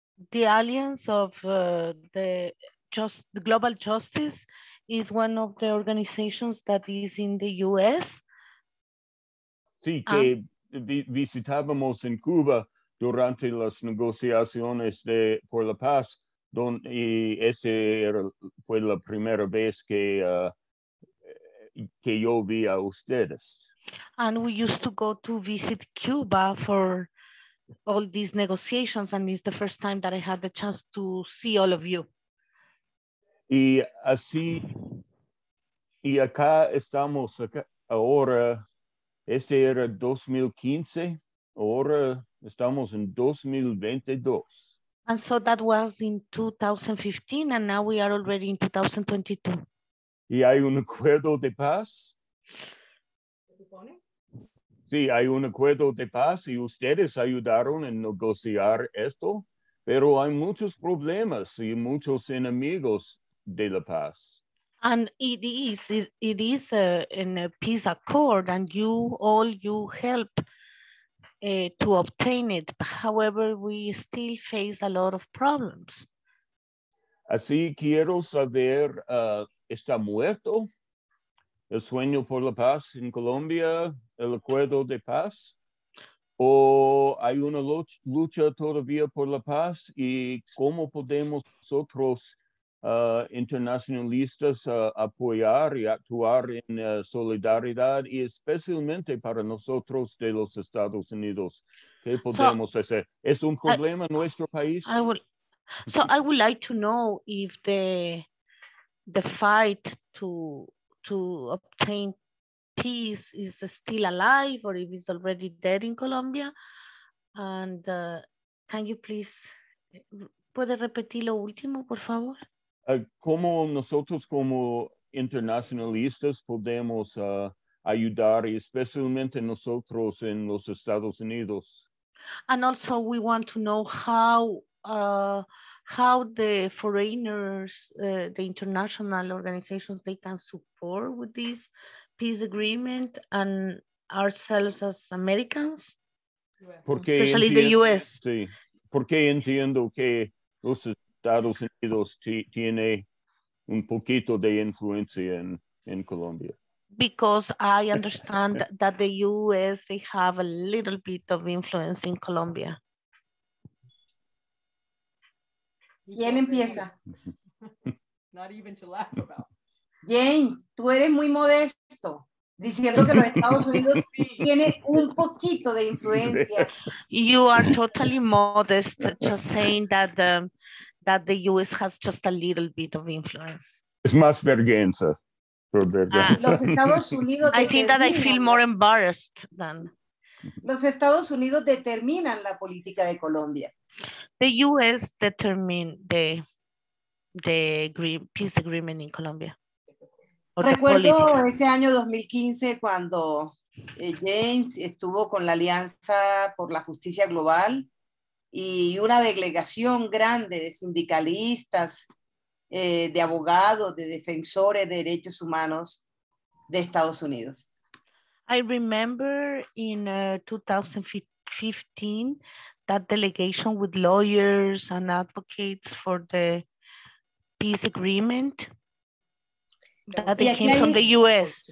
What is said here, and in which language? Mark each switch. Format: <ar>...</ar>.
<en>The Alliance of the Global Justice is one of the organizations that is in the U.S.</en> <es>Sí, que visitábamos en Cuba durante las negociaciones de por la paz, donde ese fue la primera vez que yo vi a ustedes.</es> <en>And we used to go to visit Cuba for all these negotiations, and it's the first time that I had the chance to see all of you.</en> <es>Y así, y acá estamos acá, ahora, este era 2015, ahora estamos en 2022.</es> <en>And so that was in 2015, and now we are already in 2022.</en> <es>¿Y hay un acuerdo de paz? Sí, hay un acuerdo de paz y ustedes ayudaron en negociar esto, pero hay muchos problemas y muchos enemigos de la paz.</es> <en>And it is in a peace accord, and you help to obtain it. However, we still face a lot of problems.</en> <es>Así quiero saber, ¿está muerto el sueño por la paz en Colombia, el acuerdo de paz? ¿O hay una lucha todavía por la paz? ¿Y cómo podemos nosotros internacionalistas apoyar y actuar en solidaridad, y especialmente para nosotros de los Estados Unidos? ¿Qué podemos hacer? ¿Es un problema en nuestro país?</es> <en>I would like to know if the fight to obtain peace is still alive, or if it's already dead in Colombia. And can you please,</en> <es>¿puede repetir lo último, por favor? ¿Cómo nosotros como internacionalistas podemos ayudar, especialmente nosotros en los Estados Unidos?</es> <en>And also we want to know how the foreigners, the international organizations, they can support with this peace agreement, and ourselves as Americans, especially the U.S.</en> <es>Sí. Porque entiendo que los Estados Unidos tiene un poquito de influencia en Colombia.</es> <en>Because I understand that the U.S., they have a little bit of influence in Colombia.</en> <es>¿Quién empieza?</es> <en>Not even to laugh about.</en> <es>James, tú eres muy modesto, diciendo que los Estados Unidos tienen un poquito de influencia.</es> <en>You are totally modest, just saying that the U.S. has just a little bit of influence.</en> <es>Es más vergüenza. Por vergüenza. Los Estados Unidos</es> <en>I think that I feel more embarrassed than...</en> <es>Los Estados Unidos determinan la política de Colombia.</es> <en>The U.S. determine the peace agreement in Colombia.</en> <es>Recuerdo ese año 2015 cuando James estuvo con la Alianza por la Justicia Global y una delegación grande de sindicalistas, de abogados, de defensores de derechos humanos de Estados Unidos.</es> <en>I remember in 2015 that delegation with lawyers and advocates for the peace agreement that they came from the U.S.</en>